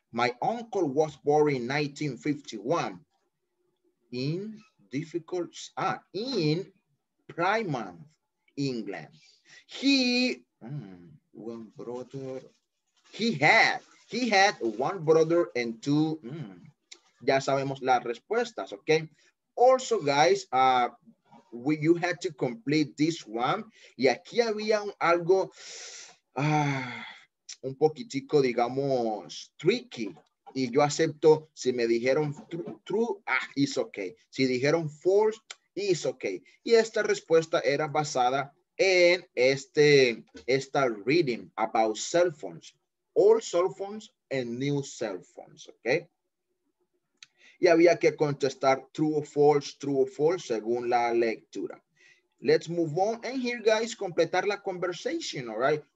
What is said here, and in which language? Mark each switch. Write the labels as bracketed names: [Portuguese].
[English] My uncle was born in 1951 in Plymouth, England. He, one brother. He had one brother and two. [Spanish] Ya sabemos las respuestas, okay? [English] Also, guys, you had to complete this one. [Spanish] Y aquí había algo un poquitico, digamos, tricky. Y yo acepto si me dijeron true, [English] it's okay. [Spanish] Si dijeron false, [English] it's okay. [Spanish] Y esta respuesta era basada en esta [English] reading about cell phones. Old cell phones and new cell phones, okay? [Spanish] Y había que contestar [English] true or false, [Spanish] según la lectura. [English] Let's move on. And here, guys, [Spanish] completar la [English] conversation, all right?